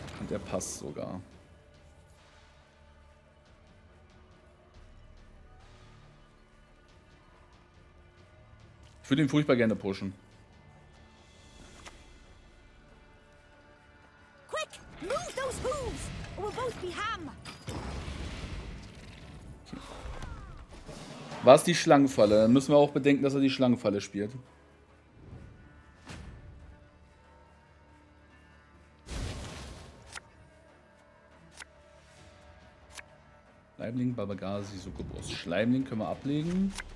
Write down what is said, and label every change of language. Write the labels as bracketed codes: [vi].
[de] Der passt sogar. Ich würde ihn furchtbar gerne pushen. [en] Quick, move those hooves, or we'll both be ham. [de] War es die Schlangenfalle? Dann müssen wir auch bedenken, dass er die Schlangenfalle spielt. Schleimling, Babagasi, Succubus. Schleimling können wir ablegen.